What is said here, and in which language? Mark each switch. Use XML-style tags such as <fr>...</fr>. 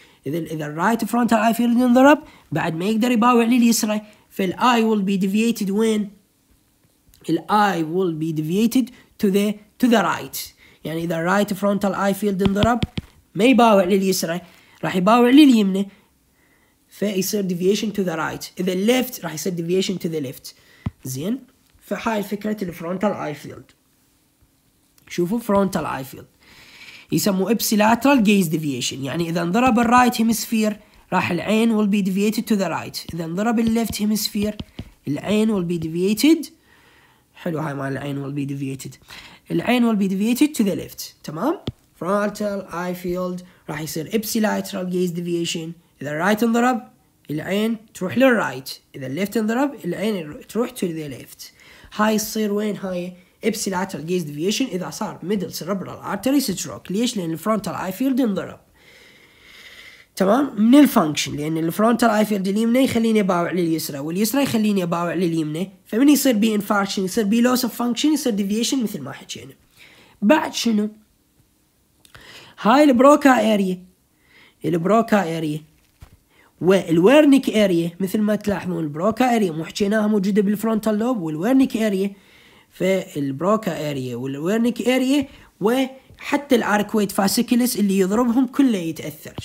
<ar>إذا الرايت فرونتال آي فيلد انضرب بعد ما يقدر يباوع لليسرى، فالآي will be deviated وين؟ الآي</ar> <en>will be deviated to the right.</en> <ar>يعني إذا الرايت فرونتال آي فيلد انضرب ما يباوع لليسرى، راح يباوع لليمنى، فيصير</ar> <en>deviation to the right.</en> <ar>إذا left راح يصير</ar> <en>deviation to the left.</en> <ar>زين، فهاي فكرة الفرونتال آي فيلد. شوفوا فرونتال آي فيلد يسموه</ar> <en>ipsilateral gaze deviation،</en> <ar>يعني إذا انضرب الرايت هيمسفير راح العين</ar> <en>will be deviated to the right،</en> <ar>إذا انضرب اللفت هيمسفير العين will be deviated، حلو هاي مال العين will be deviated، العين</ar> <en>will be deviated to the left.</en> <ar>تمام، frontal eye field راح يصير ipsilateral gaze deviation، إذا الرايت انضرب العين تروح للرايت، إذا الليفت انضرب العين تروح</ar> <en>to the left.</en> <ar>هاي تصير وين؟ هاي</ar> <en>ipsilateral gaze deviation</en> <ar>إذا صار</ar> <en>middle cerebral artery stroke.</en> <ar>ليش؟ لأن frontal eye field انضرب. تمام؟ من الفانكشن، لأن الفرونتال آي فيلد اليمنى يخليني باوع لليسرى واليسرى يخليني باوع لليمنى، فمن يصير بي انفاركشن يصير بي لوس اوف فانكشن، يصير ديفيشن مثل ما حكينا. بعد شنو؟ هاي البروكا اريا، البروكا اريا والورنيك اريا، مثل ما تلاحظون البروكا اريا مو حكيناها موجوده بالفرونتال لوب، والورنيك اريا فالبروكا اريا والورنيك اريا وحتى الاركويد فاسيكلس اللي يضربهم كله يتاثر.</ar>